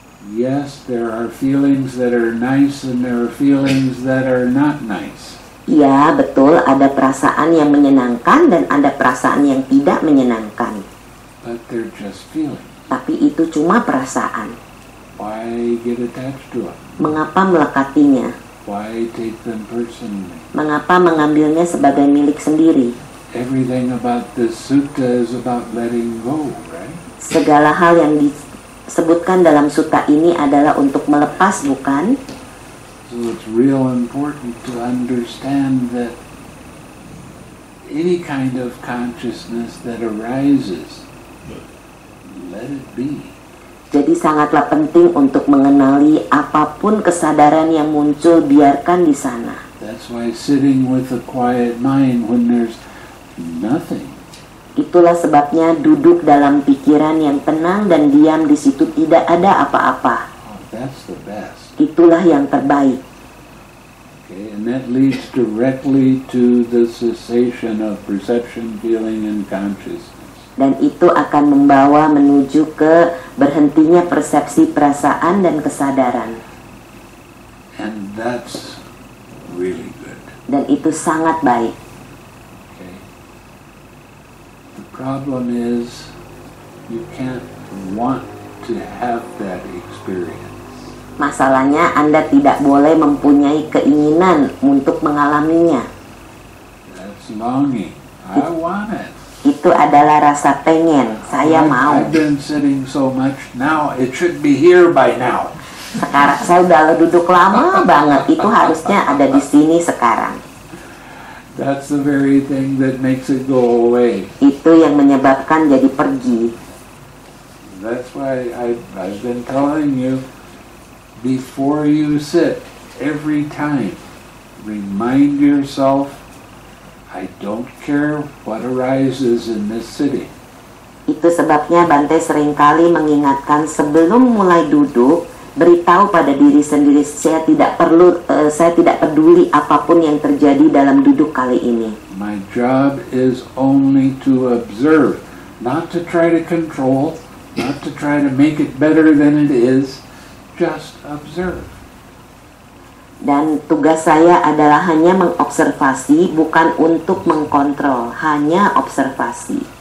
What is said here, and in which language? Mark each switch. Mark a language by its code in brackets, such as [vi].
[en] Yes, there are feelings that are nice and there are feelings that are not nice. [id] Ya, betul, ada perasaan yang menyenangkan dan ada perasaan yang tidak menyenangkan. [en] But they're just feelings. [id] Tapi itu cuma perasaan. [en] Why get attached to it? [id] Mengapa melekatinya? [en] Why take them personally? [id] Mengapa mengambilnya sebagai milik sendiri? [en] Everything about this sutta is about letting go, right? [id] Segala hal yang disebutkan dalam sutta ini adalah untuk melepas, bukan? [en] So it's real important to understand that any kind of consciousness that arises, let it be. [id] Jadi sangatlah penting untuk mengenali apapun kesadaran yang muncul, biarkan di sana. [en] That's why sitting with a quiet mind when there's nothing. [id] Itulah sebabnya duduk dalam pikiran yang tenang dan diam di situ tidak ada apa-apa. [en] Oh, that's the best. [id] Itulah yang terbaik. [en] And that leads directly to the cessation of perception, feeling, and consciousness. [id] dan itu akan membawa menuju ke berhentinya persepsi perasaan dan kesadaran. [en] And that's really good. [id] Dan itu sangat baik. [en] Okay. The problem is you can't want to have that experience. [id] Masalahnya Anda tidak boleh mempunyai keinginan untuk mengalaminya. [en] That's longing. I want it. [id] Itu adalah rasa pengen. Saya mau. [en] I've been sitting so much now, it should be here by now. [id] Sekarang saya udah duduk lama banget. Itu harusnya ada di sini sekarang. [en] That's the very thing that makes it go away. [id] Itu yang menyebabkan jadi pergi. [en] That's why I've been telling you, before you sit, every time, remind yourself, I don't care what arises in this sitting. [id] Itu sebabnya Bante seringkali mengingatkan sebelum mulai duduk, beritahu pada diri sendiri, saya tidak peduli apapun yang terjadi dalam duduk kali ini. [en] My job is only to observe, not to try to control, not to try to make it better than it is, just observe. [id] Dan tugas saya adalah hanya mengobservasi, bukan untuk mengkontrol, hanya observasi.